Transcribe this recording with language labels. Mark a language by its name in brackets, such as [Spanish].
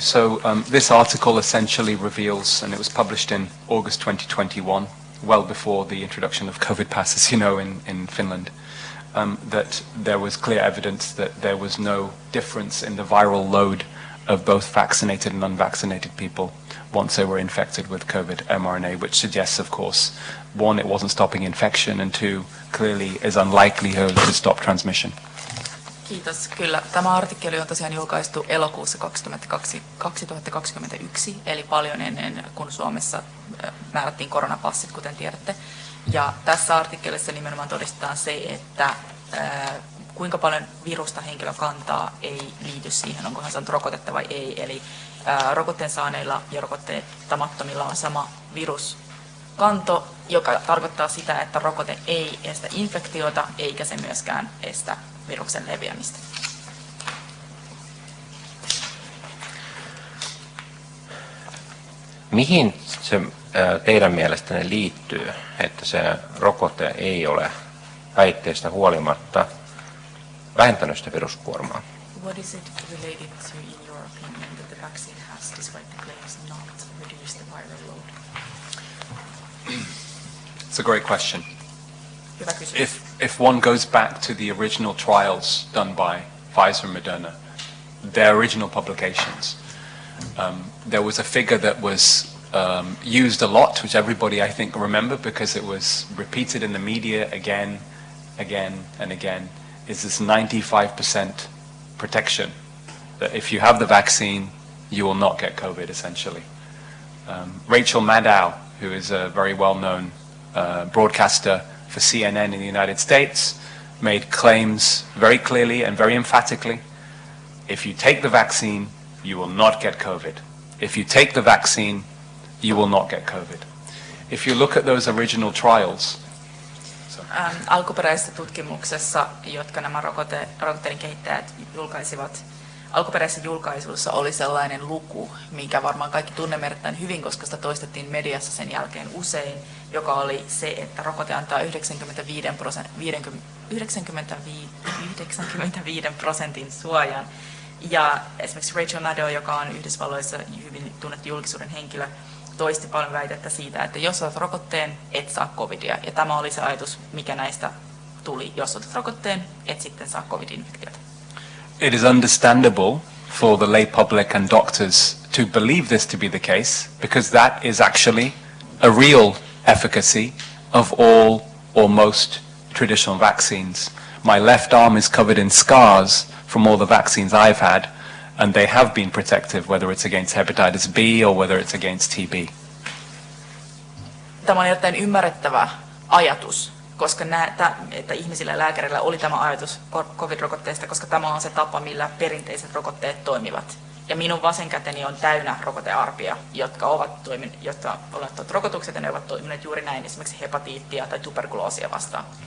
[English] So this article essentially reveals, and it was published in August 2021, well before the introduction of COVID passes, you know, in Finland, that there was clear evidence that there was no difference in the viral load of both vaccinated and unvaccinated people once they were infected with COVID mRNA, which suggests, of course, one, it wasn't stopping infection, and two, clearly is unlikely to stop transmission. [Finnish] Kiitos. Kyllä. Tämä artikkeli on tosiaan julkaistu elokuussa 2021, eli paljon ennen kuin Suomessa määrättiin koronapassit, kuten tiedätte. Ja tässä artikkelissa nimenomaan todistetaan se, että kuinka paljon virusta henkilö kantaa ei liity siihen, onko hän saanut rokotetta vai ei. Eli rokotteen saaneilla ja rokotteettamattomilla on sama viruskanto, joka tarkoittaa sitä, että rokote ei estä infektiota eikä se myöskään estä viruksen leviämistä. Mihin se teidän mielestänne liittyy, että se rokote ei ole väitteestä huolimatta vähentänyt sitä viruskuormaa? [English] What is it related to in your opinion that the vaccine has despite the claims not reduced the viral load? It's a great question. [Finnish] Hyvä kysymys. [English] If one goes back to the original trials done by Pfizer and Moderna, their original publications, there was a figure that was used a lot, which everybody, I think, remember because it was repeated in the media again, again, and again, is this 95% protection, that if you have the vaccine, you will not get COVID, essentially. Rachel Maddow, who is a very well-known broadcaster for CNN in the United States, made claims very clearly and very emphatically. If you take the vaccine, you will not get COVID. If you take the vaccine, you will not get COVID. If you look at those original trials, so [Finnish] alkuperäisessä tutkimuksessa, jotka nämä rokotteiden kehittäjät julkaisivat, alkuperäisessä julkaisussa oli sellainen luku, minkä varmaan kaikki tunnemme erittäin hyvin, koska sitä toistettiin mediassa sen jälkeen usein, joka oli se, että rokote antaa 95% suojan. Ja esimerkiksi Rachel Maddow, joka on Yhdysvalloissa hyvin tunnettu julkisuuden henkilö, toisti paljon väitettä siitä, että jos olet rokotteen, et saa covidia. Ja tämä oli se ajatus, mikä näistä tuli. Jos olet rokotteen, et sitten saa covid-infektiota. [English] It is understandable for the lay public and doctors to believe this to be the case, because that is actually a real efficacy of all or most traditional vaccines. My left arm is covered in scars from all the vaccines I've had, and they have been protective, whether it's against hepatitis B or whether it's against TB. [Finnish] Tämä on erittäin ymmärrettävä ajatus, koska että ihmisillä ja lääkäreillä oli tämä ajatus covid-rokotteesta, koska tämä on se tapa, millä perinteiset rokotteet toimivat. Ja minun vasen käteni on täynnä rokotearpia, jotka ovat ottaneet rokotukset, ja ne ovat toimineet juuri näin, esimerkiksi hepatiittia tai tuberkuloosia vastaan.